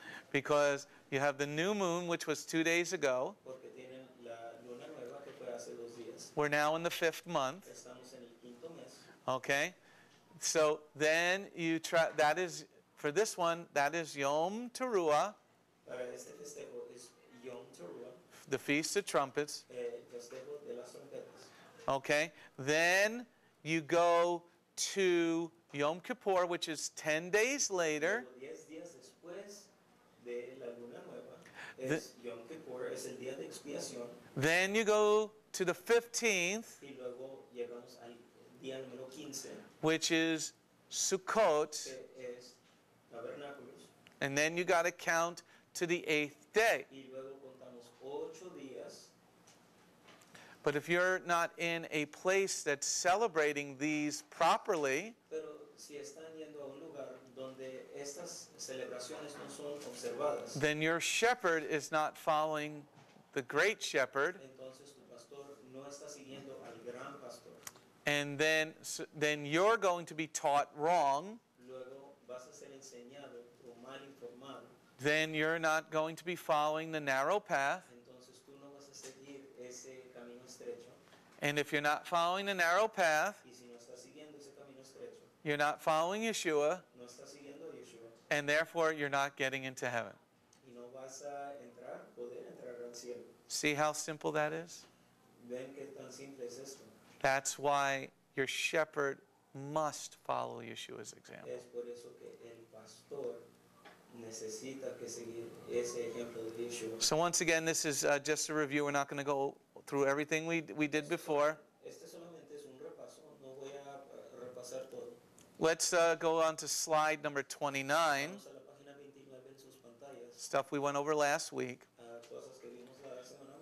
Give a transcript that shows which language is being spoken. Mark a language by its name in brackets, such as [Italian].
[English] Because you have the new moon, which was 2 days ago. [Spanish] Porque tienen la luna nueva, que fue hace dos días. [English] We're now in the fifth month. [Spanish] Estamos en el quinto mes. [English] Okay. So then you try, that is, for this one, that is Yom Teruah. [Spanish] Para este festejo es Yom Teruah. [English] The Feast of Trumpets. [Spanish] Festejo de las trompetas. [English] Okay. Then you go to Yom Kippur, which is 10 days later. [Spanish] 10 días después de la luna nueva, Yom Kippur es el día de expiación. [English] Then you go to the 15th, [Spanish] y luego llegamos al día número 15, [English] which is Sukkot, [Spanish] es Tabernáculos. [English] And then you got to count to the 8th day. [Spanish] Y luego contamos 8 días. [English] But if you're not in a place that's celebrating these properly, [Spanish] pero si están yendo a un lugar donde estas celebraciones no son observadas, [English] then your shepherd is not following the great shepherd. [Spanish] Entonces, tu pastor no está siguiendo al gran pastor. [English] And then you're going to be taught wrong. [Spanish] Luego vas a ser enseñado o mal informado. [English] Then you're not going to be following the narrow path. [Spanish] Entonces, tú no vas a seguir ese camino estrecho. [English] And if you're not following the narrow path, [Spanish] y si no estás siguiendo ese camino estrecho, [English] you're not following Yeshua, [Spanish] no estás siguiendo Yeshua, [English] and therefore you're not getting into heaven. [Spanish] Y no vas a entrar, poder entrar al cielo. [English] See how simple that is? [Spanish] ¿Ven qué tan simple es esto? [English] That's why your shepherd must follow Yeshua's example. [Spanish] Es por eso que el pastor necesita que seguir ese ejemplo de Yeshua. [English] So once again, this is just a review. We're not going to go through everything we did before. [Spanish] Este solamente es un repaso. No voy a repasar todo. [English] Let's go on to slide number 29. [Spanish] Vamos a la página 29 en sus pantallas. [English] Stuff we went over last week. [Spanish] Cosas que vimos la semana